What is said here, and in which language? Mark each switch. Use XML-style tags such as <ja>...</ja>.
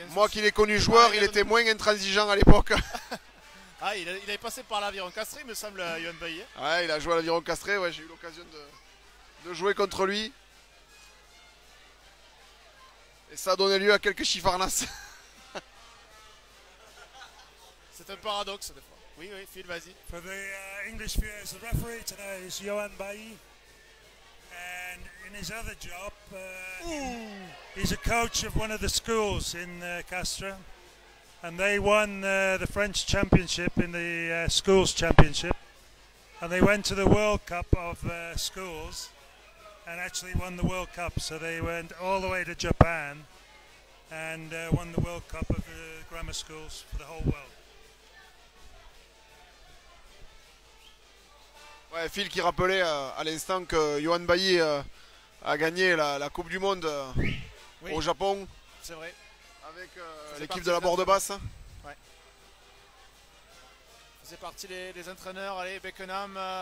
<fr>Moi qui l'ai connu joueur, il était moins intransigeant à l'époque. Ah, il avait passé par l'aviron castré, me semble, Yohan Bailly. Ouais, il a joué à l'aviron castré, ouais, j'ai eu l'occasion de jouer contre lui. Et ça a donné lieu à quelques chifarnasses. C'est un paradoxe, des fois. Oui, Phil, vas-y.</fr> <en>For the English viewers, the referee today is Yohan Bailly. And in his other job, he's a coach of one of the schools in Castres. And they won the French championship in the schools championship. And they went to the World Cup of schools and actually won the World Cup. So they went all the way to Japan and won the World Cup of the grammar schools for the whole world.</en> <fr>Ouais, Phil qui rappelait à l'instant que Yohan Bailly a gagné la Coupe du Monde au Japon. C'est vrai. Avec l'équipe de la Borde Basse. Ouais. Faisait partie les entraîneurs. Allez, Beckenham.</fr>